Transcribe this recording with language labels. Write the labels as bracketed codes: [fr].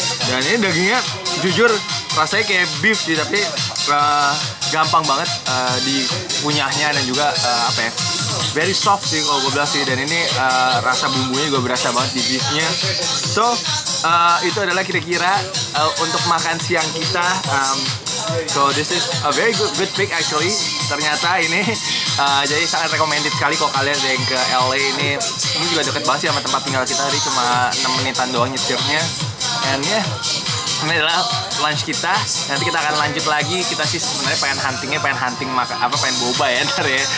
[id] Dan ini dagingnya jujur rasanya kayak beef sih, tapi gampang banget dikunyahnya dan juga apa ya, [en] very soft [id] sih kalau gue bilang sih. Dan ini rasa bumbunya juga berasa banget di beefnya. So itu adalah kira-kira untuk makan siang kita. [en] So this is a very good pick actually. [id] Ternyata ini jadi sangat recommended sekali kalau kalian ada yang ke LA. Ini juga deket banget sih sama tempat tinggal kita tadi, cuma 6 menitan doang nyetirnya. [en] And yeah, [id] ini adalah lunch kita. Nanti kita akan lanjut lagi. Kita sih sebenarnya pengen boba ya ntar ya.